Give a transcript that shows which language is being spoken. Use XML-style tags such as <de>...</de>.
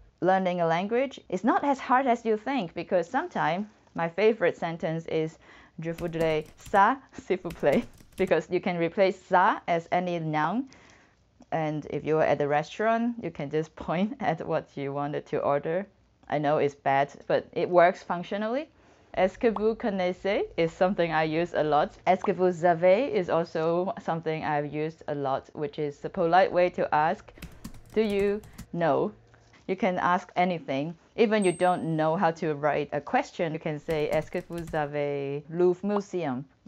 <en>Learning a language is not as hard as you think, because sometimes my favorite sentence is</en> <fr>je voudrais ça s'il vous plaît,</fr> <en>because you can replace ça as any noun, and if you are at the restaurant you can just point at what you wanted to order. I know it's bad, but it works functionally.</en> <fr>Est-ce que vous connaissez</fr> <en>is something I use a lot.</en> <fr>Est-ce que vous avez</fr> <en>is also something I've used a lot, which is the polite way to ask do you know. You can ask anything. Even you don't know how to write a question, you can say</en> <fr>Est-ce que vous avez</fr> <en>Louvre Museum?</en>